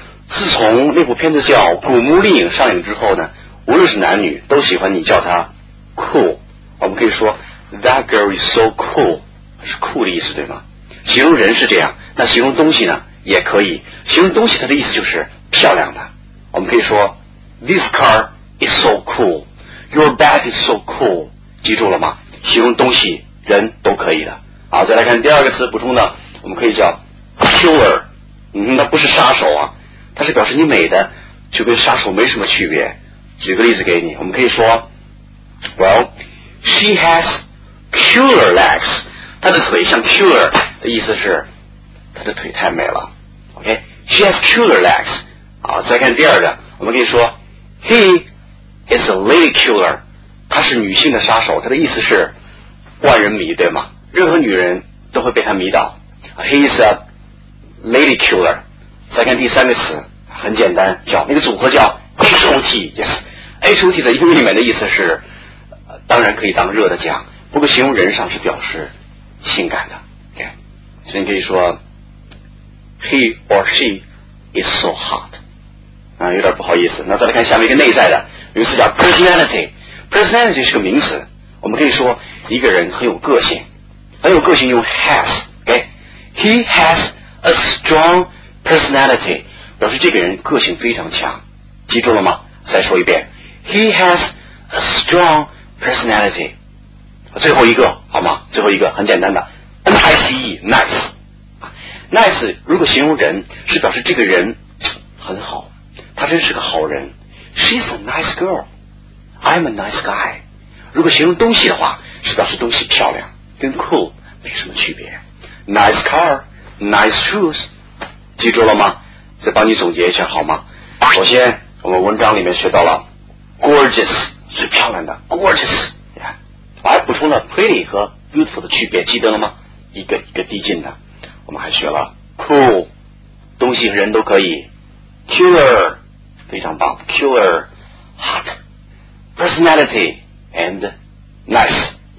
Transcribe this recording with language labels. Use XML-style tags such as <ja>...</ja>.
<zh>自从那部片子叫《古墓丽影》上映之后呢, 无论是男女, 都喜欢你叫她 cool。我们可以说</zh> <en>That girl is so cool,</en> <zh>是酷的意思，对吗？形容人是这样, 那形容东西呢, 也可以, 形容东西它的意思就是漂亮的。我们可以说</zh> <en>This car is so cool, Your bag is so cool,</en> <zh>记住了吗？形容东西人都可以的。好, 再来看第二个词补充呢, 我们可以叫 Killer, 那不是杀手啊, 它是表示你美的, 就跟杀手没什么区别。举个例子给你, 我们可以说</zh> <en>Well, she has killer legs,</en> <zh>她的腿像 killer 的意思是 她的腿太美了。</zh> <en>OK, she has killer legs.</en> <zh>好，再看第二个, 我们可以说</zh> <en>he is a lady killer,</en> <zh>她是女性的杀手, 她的意思是 万人迷，对吗？任何女人都会被她迷倒。</zh> <en>he is a lady killer.</en> <zh>再看第三个词, 很简单, 叫那个组合叫 HOT. Yes, HOT 在英语里面的意思是 当然可以当热的讲, 不过形容人上是表示性感的。</zh> <en>okay?</en> <zh>所以你可以说</zh> <en>He or she is so hot.</en> <zh>有点不好意思。那再来看下面一个内在的, 名词叫 personality. Personality 是个名词, 我们可以说一个人很有个性, 很有个性用 has.</zh> <en>okay? He has a strong personality,</en> <zh>表示这个人个性非常强。记住了吗? 再说一遍,</zh> <en>He has a strong personality.</en> <zh>最后一个好吗？最后一个很简单的 N-I-C-E, nice. Nice 如果形容人是表示这个人很好, 他真是个好人。</zh> <en>She's a nice girl, I'm a nice guy.</en> <zh>如果形容东西的话, 是表示东西漂亮, 跟 cool 没什么区别。</zh> <en>Nice car, nice shoes.</en> <zh>记住了吗？再帮你总结一下好吗？首先我们文章里面学到了 gorgeous, 最漂亮的 gorgeous, 还补充了 pretty 和 beautiful 的区别, 记得了吗？一个递进的。我们还学了 cool, 东西人都可以, killer, 非常棒, killer, hot, personality, and nice.</zh>